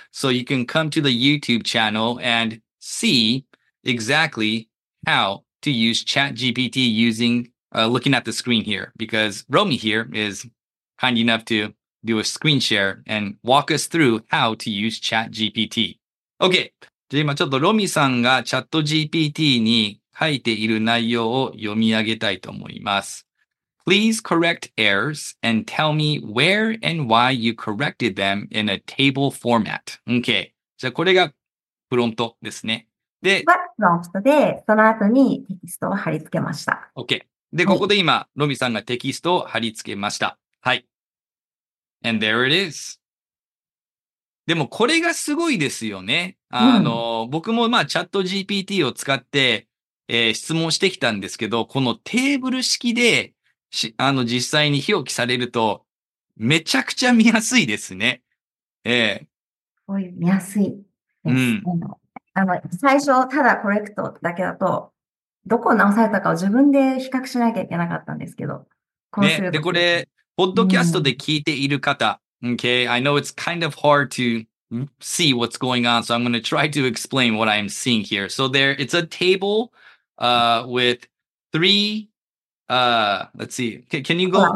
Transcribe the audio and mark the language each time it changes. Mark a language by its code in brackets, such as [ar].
[en] So you can come to the YouTube channel and see exactly how to use ChatGPT using looking at the screen here. Because Romy here is kind enough to do a screen share and walk us through how to use ChatGPT. Okay. [ja] じゃあ今ちょっとロミさんが ChatGPT に書いている内容を読み上げたいと思います。 [en] Please correct errors and tell me where and why you corrected them in a table format. Okay. [ja] じゃあこれがプロンプトですね。で、プロンプトでその後にテキストを貼り付けました。 [en] Okay. [ja] で、ここで今、ロミさんがテキストを貼り付けました。はい。 [en] And there it is. [ja] でもこれがすごいですよね。僕もまあチャット GPT を使って、質問してきたんですけど、このテーブル式で実際に表記されると、めちゃくちゃ見やすいですね。ええ。こういう見やすいです。最初、ただコレクトだけだと、どこを直されたかを自分で比較しなきゃいけなかったんですけど、こうすると、ね。で、これ、ポッドキャストで聞いている方、 [en] Okay, I know it's kind of hard to see what's going on, so I'm going to try to explain what I'm seeing here. So there, it's a table, with let's see. Can you go?